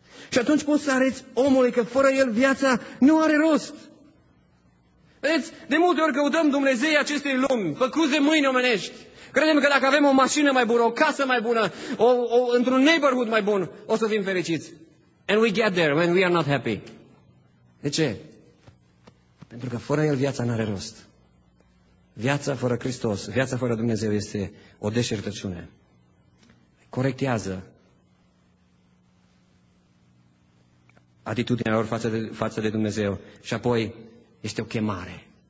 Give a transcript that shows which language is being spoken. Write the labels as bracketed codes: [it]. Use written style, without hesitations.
[ro] Și atunci poți să arăți omului că fără el viața nu are rost. Vedeți, de multe ori căutăm Dumnezei acestei lumi, făcuze mâini omenești. Credem că dacă avem o mașină mai bună, o casă mai bună, într-un neighborhood mai bun, o să fim fericiți. [en] And we get there when we are not happy. [ro] De ce? Pentru că fără el viața n-are rost. Viața fără Hristos, viața fără Dumnezeu este o deșertăciune. Corectează atitudinea lor față de Dumnezeu și apoi este o chemare.